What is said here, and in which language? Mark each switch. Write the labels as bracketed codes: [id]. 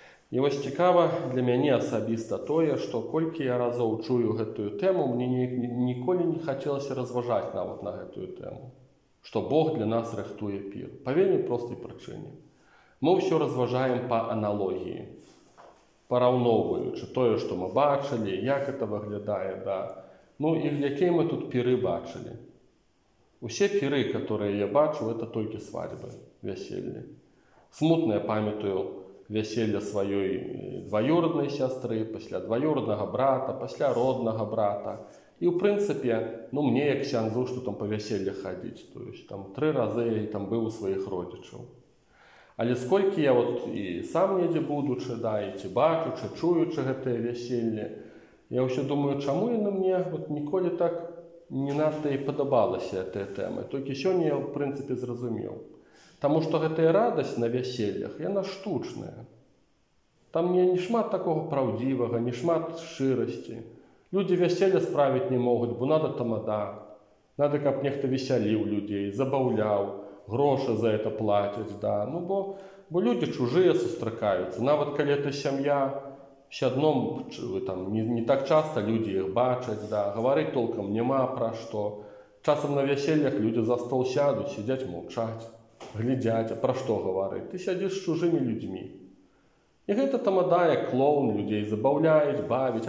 [be] І вось цікава для мяне асабіста тое, што колькі я разоў чую гэтую тэму, мне ніколі не хацелася разважаць нават на гэтую тэму, што Бог для нас рыхтуе пір. Па вельмі простай прычыне. Мы ўсё разважаем па аналогіі, параўноўваючы тое, што мы бачылі, як гэта выглядае, да. Ну і якія мы тут піры бачылі. Усе піры, [ru] которые [be] я бачу, это толькі свадьбы, вяселлі. Смутныя памятаю вяселля сваёй дваюраднай сястры, пасля дваюраднага брата, пасля роднага брата. І, ў прынцыпе, ну, мне, як сянзу, што там па вяселлі хадзіць, [ru] то есть [be] там тры разы я там быў у сваіх родзічаў. Але сколькі я вот і сам недзе будучы, да, і ці бачучы, чуючы гэтае вяселле, я ўсё думаю, чаму яна мне вот ніколі так не надта і падабалася гэтая тэма. Толькі сёння я, ў прынцыпе, зразумеў. Таму што гэтая радасць на вяселлях, яна штучная. Там не шмат такога праўдзівага, не шмат шчырасці. Людзі вяселля справіць не могуць, бо [ru] надо [be] тамада. Надо, каб нехта весяліў людзей, забаўляў, грошы [ru] за это [be] плацяць. Да. Ну, бо людзі чужыя сустракаюцца. Нават калі гэта сям'я, [uk] все одно там, не так часто люди их бачать, да, говорить толком нема про что. [ru] Часом на весельях люди за стол сядут, сидят молчать, глядять, а про что говорить. Ты сидишь с чужими людьми. И это тамада, как клоун людей, забавляет, бавит.